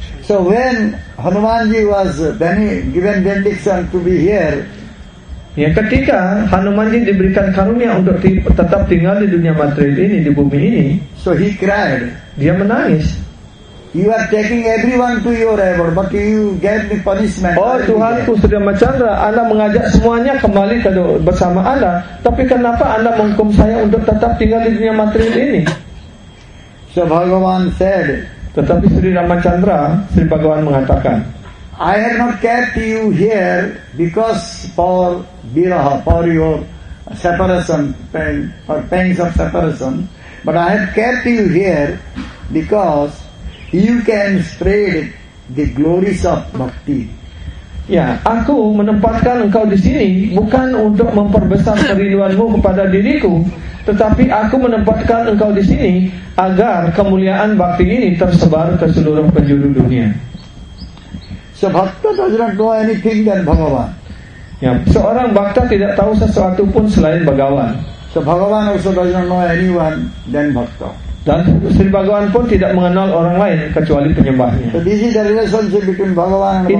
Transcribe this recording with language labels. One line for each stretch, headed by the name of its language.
English: So when Hanumanji was given benediction to be here,
Indonesian: ya, ketika Hanumanji diberikan karunia untuk tetap tinggal di dunia material ini, di bumi ini,
English: so he cried.
Indonesian: Dia menangis.
English: You are taking everyone to your abode, but you get the punishment.
Indonesian: Oh, Tuhan, ku sudah mencandra. Anda mengajak semuanya kembali ke bersama Anda, tapi kenapa Anda menghukum saya untuk tetap tinggal di dunia material ini?
English: So Bhagavan said.
Indonesian: Tetapi Sri Ramachandra, Sri Bhagawan mengatakan,
English: I have not kept you here because for viraha, for your separation, pain, for pains of separation, but I have kept you here because you can spread the glories of bhakti.
Indonesian: Ya, aku menempatkan engkau di sini bukan untuk memperbesar kerinduanmu kepada diriku, tetapi aku menempatkan engkau di sini agar kemuliaan bhakti ini tersebar ke seluruh penjuru dunia.
English: So, bhakta does not know anything than Bhagavan.
Indonesian: Ya, seorang bhakta tidak tahu sesuatu pun selain Bhagawan.
English: So, Bhagavan also does not know anyone than bhakta.
Indonesian: Dan Sri Bhagawan pun tidak mengenal orang lain kecuali penyembahnya.
English: So, this is the relationship between Bhagavan and